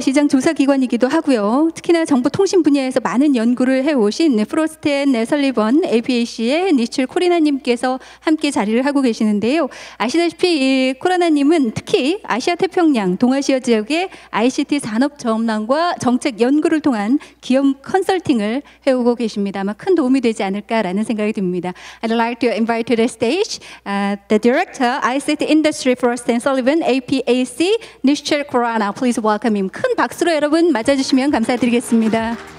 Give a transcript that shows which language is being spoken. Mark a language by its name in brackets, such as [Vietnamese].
[Korean] 시장 조사기관이기도 하고요. 특히나 정보통신 분야에서 많은 연구를 해오신 프로스트 앤 설리번 APAC의 니출 코리나님께서 함께 자리를 하고 계시는데요. 아시다시피 이 코리나님은 특히 아시아 태평양, 동아시아 지역의 ICT 산업 전망과 정책 연구를 통한 기업 컨설팅을 해오고 계십니다. 아마 큰 도움이 되지 않을까라는 생각이 듭니다. [English] I'd like to invite to the stage the director ICT industry Frost and Sullivan APAC Nishchal Khorana, please welcome him. [Korean] 큰 박수로 여러분 맞아주시면 감사드리겠습니다.